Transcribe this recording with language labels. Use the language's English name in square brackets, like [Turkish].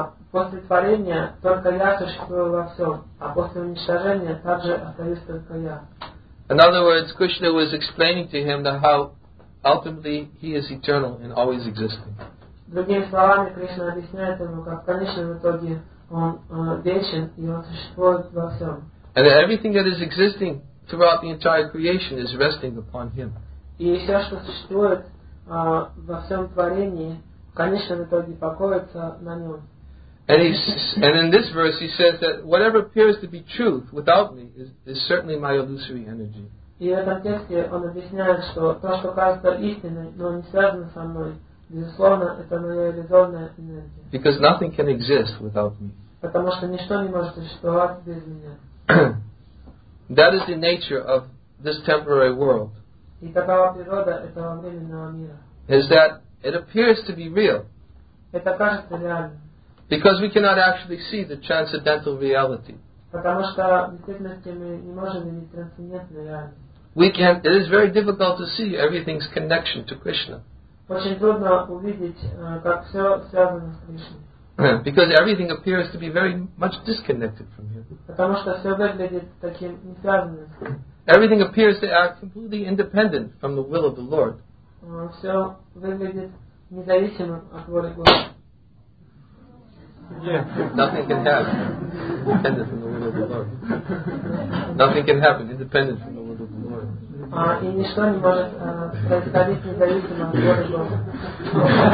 [Russian] После творения только я существую во всем, а после уничтожения также остаюсь только я. [English] In other words, Krishna was explaining to him that how ultimately he is eternal and always existing. [Russian] Другими словами, Кришна объясняет ему, как в конечном итоге он вечен и он существует во всем. [English] And that everything that is existing throughout the entire creation is resting upon him. [Russian] И все, что существует во всем творении, в конечном итоге покоится на нем. [English] And in this verse he says that whatever appears to be truth without me is certainly my illusory energy. [Russian] И в этом тексте он объясняет, что то, что кажется истиной, но не связано со мной, безусловно, это моя иллюзорная энергия. [English] Because nothing can exist without me. [Russian] Потому что ничто не может существовать без меня. [English] That is the nature of this temporary world. [Russian] И такова природа этого временного мира. [English] Is that it appears to be real. [Russian] Это кажется реальным. [English] Because we cannot actually see the transcendental reality. [Russian] Потому что в действительности мы не можем видеть трансцендентную реальность. [English] We can. It is very difficult to see everything's connection to Krishna. [Russian] Очень трудно увидеть, как все связано с Кришной. [English] Because everything appears to be very much disconnected from Him. [Russian] Потому что все выглядит таким не связанным. [English] Everything appears to act completely independent from the will of the Lord. [Russian] Все выглядит независимым от воли Господа. Yeah. [English] Nothing can happen independent from the will of the Lord. Nothing can happen independent from the will of the Lord. [Russian] И ничто не может происходить независимо от воли